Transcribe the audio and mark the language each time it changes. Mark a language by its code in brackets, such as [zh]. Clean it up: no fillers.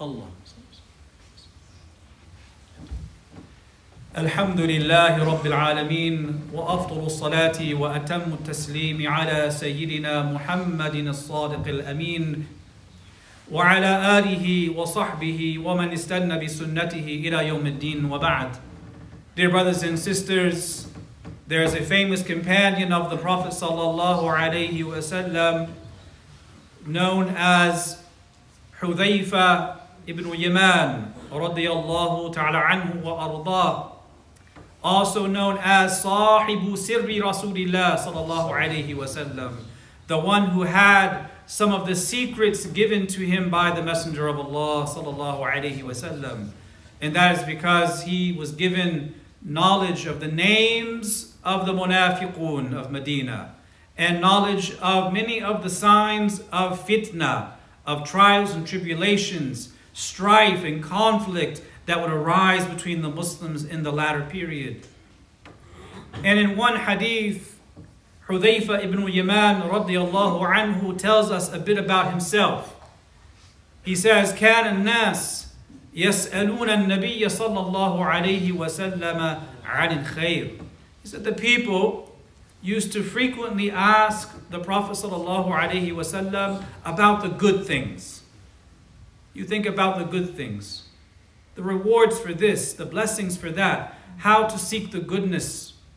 [ar] Allahumma الحمد لله رب العالمين وأفضل الصلاة وأتم التسليم على سيدنا محمد الصادق الأمين وعلى آله وصحبه ومن استنى بسنته إلى يوم الدين وبعد. [en] Dear brothers and sisters, there is a famous companion of the Prophet صلى الله عليه وسلم known as حذيفة ابن يمان رضي الله تعالى عنه وأرضاه, also known as Sahibu Sirri Rasulillah sallallahu alayhi wa sallam, the one who had some of the secrets given to him by the Messenger of Allah sallallahu alayhi wa sallam. And that is because he was given knowledge of the names of the Munafiqun of Medina and knowledge of many of the signs of fitna, of trials and tribulations, strife and conflict that would arise between the Muslims in the latter period. And in one hadith, Hudhayfa ibn Yaman radiallahu anhu tells us a bit about himself. He says, [ar] كان الناس يسألون النبي صلى الله عليه وسلم عن الخير. [en] He said, the people used to frequently ask the Prophet صلى الله عليه وسلم about the good things. You think about the good things, the rewards for this, the blessings for that, how to seek the goodness.